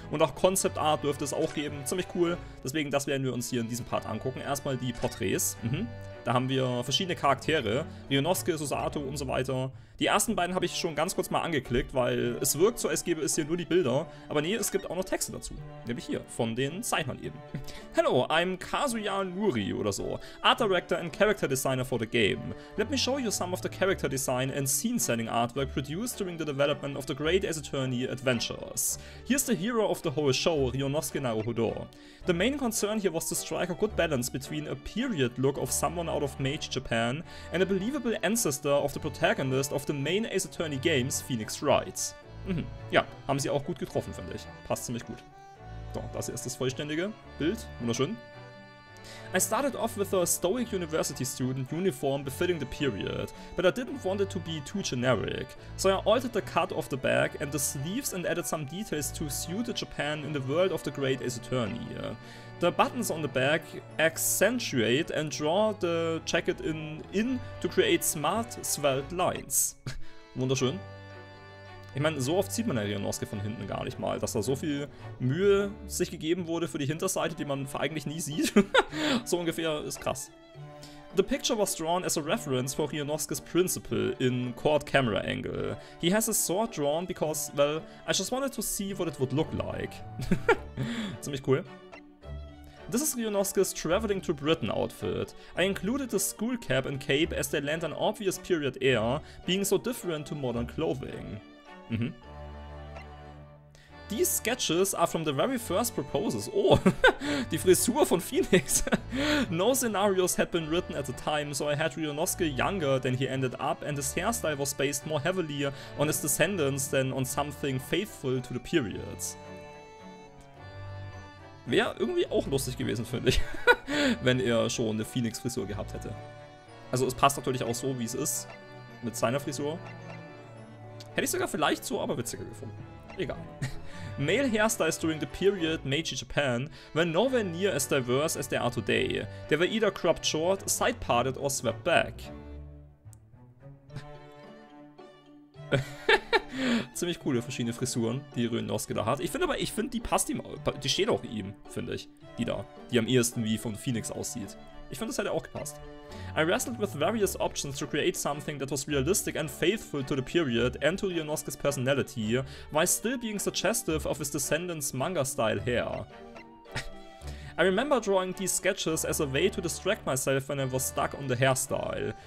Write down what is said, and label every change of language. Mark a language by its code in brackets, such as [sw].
[de] Und auch Concept Art dürfte es auch geben, ziemlich cool. Deswegen, das werden wir uns hier in diesem Part angucken. Erstmal die Porträts. Da haben wir verschiedene Charaktere, Ryunosuke, Susato und so weiter. Die ersten beiden habe ich schon ganz kurz mal angeklickt, weil es wirkt so, als gäbe es hier nur die Bilder. Aber nee, es gibt auch noch Texte dazu. Nämlich hier, von den Zeichnern eben. [en] Hello, I'm Kazuya Nuri [de] oder so. [en] Art Director and Character Designer for the game. Let me show you some of the character design and scene setting artwork produced during the development of the Great Ace Attorney Adventures. Here's the hero of the whole show, Ryunosuke Naruhodo. The main concern here was to strike a good balance between a period look of someone out of Mage Japan and a believable ancestor of the protagonist of the main Ace Attorney games, Phoenix Wright. [de] Ja, haben sie auch gut getroffen, finde ich. Passt ziemlich gut. So, das hier ist das vollständige Bild. Wunderschön. [en] I started off with a stoic university student uniform befitting the period, but I didn't want it to be too generic. So I altered the cut of the back and the sleeves and added some details to suit the Japan in the world of the Great Ace Attorney. The buttons on the back accentuate and draw the jacket in to create smart, swelled lines. [de] Wunderschön. Ich meine, so oft sieht man ja Ryunosuke von hinten gar nicht mal, dass da so viel Mühe sich gegeben wurde für die Hinterseite, die man eigentlich nie sieht. So ungefähr ist krass. [en] The picture was drawn as a reference for Ryunosuke's principle in court camera angle. He has his sword drawn because, well, I just wanted to see what it would look like. [de] Ziemlich cool. [en] This is Ryunosuke's traveling to Britain outfit. I included the school cap and cape as they lend an obvious period air, being so different to modern clothing. These sketches are from the very first proposals. [de] Oh, die Frisur von Phoenix. [en] No scenarios had been written at the time, so I had Ryunosuke younger than he ended up, and his hairstyle was based more heavily on his descendants than on something faithful to the periods. [de] Wäre irgendwie auch lustig gewesen, finde ich, wenn er schon eine Phoenix-Frisur gehabt hätte. Also es passt natürlich auch so, wie es ist, mit seiner Frisur. Hätte ich sogar vielleicht so aber witziger gefunden. Egal. [en] Male hairstyles during the period Meiji Japan were nowhere near as diverse as they are today. They were either cropped short, side-parted or swept back. [de] Ziemlich coole verschiedene Frisuren, die Ryunosuke da hat. Ich finde, die passt ihm, die steht auch ihm, finde ich. Die da, die am ehesten wie von Phoenix aussieht. Ich finde, das hätte auch gepasst. [en] I wrestled with various options to create something that was realistic and faithful to the period and to Ryunosuke's personality, while still being suggestive of his descendants' manga-style hair. I remember drawing these sketches as a way to distract myself when I was stuck on the hairstyle.